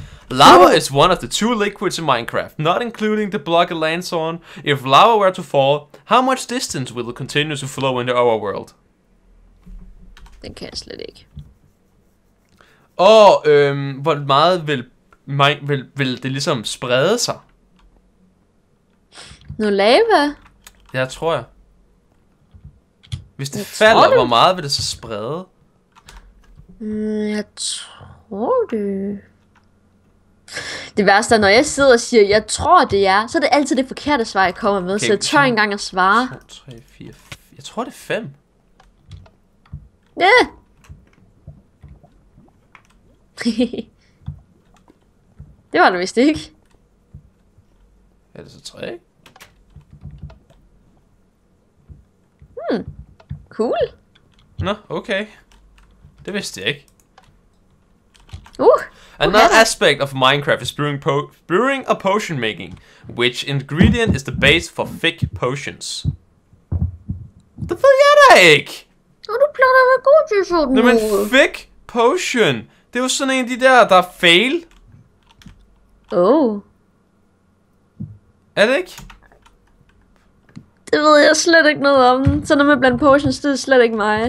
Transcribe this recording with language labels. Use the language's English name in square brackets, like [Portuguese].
[English] Lava is one of the two liquids in Minecraft, not including the block it lands on. If lava were to fall, how much distance will it continue to flow into our world? [Danish] Den kan jeg slet ikke. Og hvor meget vil det ligesom sprede sig? Nu lava? Ja, tror jeg. Hvis det falder, hvor meget vil det så sprede? Jeg tror det. Det værste er, når jeg sidder og siger, jeg tror det er, så er det altid det forkerte svar, jeg kommer med. Okay, så jeg tør ikke engang at svare. 2, 3, 4, 5. Jeg tror det er 5. Ja. Det var det vist ikke. Er det så 3? Cool. Nå, okay. Det vidste jeg ikke. Okay. [English] Another aspect of Minecraft is brewing a potion making, which ingredient is the base for thick potions. [Danish] Det ved jeg da ikke! Og du plejer at være god til sådan noget. Men thick potion, det er jo sådan en af de der, der er fail. Oh. Er det ikke? Det ved jeg slet ikke noget om. Så når man blander potions, det er slet ikke mig.